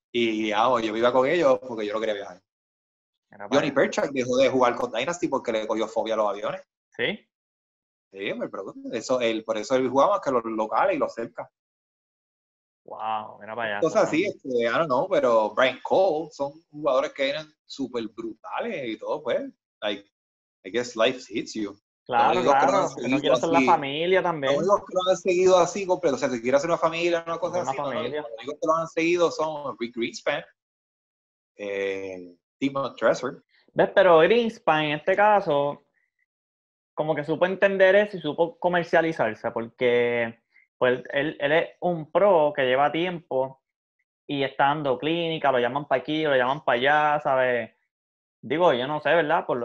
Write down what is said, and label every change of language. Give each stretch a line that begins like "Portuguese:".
Spanish: Y yo me iba con ellos porque yo no quería viajar. Johnny Perchak dejó de jugar con Dynasty porque le cogió fobia a los aviones. ¿Sí? Sí, me pregunto. Por eso él jugaba más que los locales y los cerca. ¡Wow! Mira para allá. Cosas así, no, no, pero Brian Cole, son jugadores que eran súper brutales y todo, pues.
English: Like, I guess life hits you.
Spanish: Claro. Que no quiero hacer la familia también. Los únicos que lo han seguido así, completo. O sea, si quieres hacer una familia, una cosa así. Los únicos que lo han seguido son Rick Greenspan, Timo Dresser. ¿Ves? Pero Greenspan, en este caso, como que supo entender eso y supo comercializarse, porque pues él es un pro que lleva tiempo y está dando clínica, lo llaman para aquí, lo llaman para allá, ¿sabes? Digo, yo no sé, ¿verdad?